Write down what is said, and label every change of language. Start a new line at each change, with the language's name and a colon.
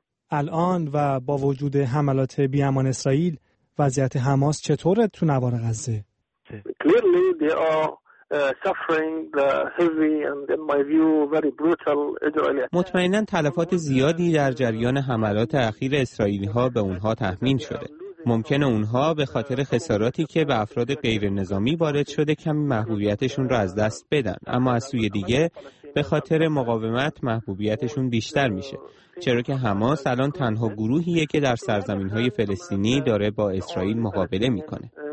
Persian: الان و با وجود حملات بیامان اسرائیل وضعیت حماس چطوره تو نوار غزه؟
English: Clearly they are suffering the heavy and in my view very brutal Israeli attack.
Persian: مطمئناً تلفات زیادی در جریان حملات اخیر اسرائیلی‌ها به اونها تحمیل شده. ممکنه اونها به خاطر خساراتی که به افراد غیر نظامی وارد شده کمی محبوبیتشون رو از دست بدن، اما از سوی دیگه به خاطر مقاومت محبوبیتشون بیشتر میشه، چرا که حماس الان تنها گروهیه که در سرزمین‌های فلسطینی داره با اسرائیل مقابله میکنه.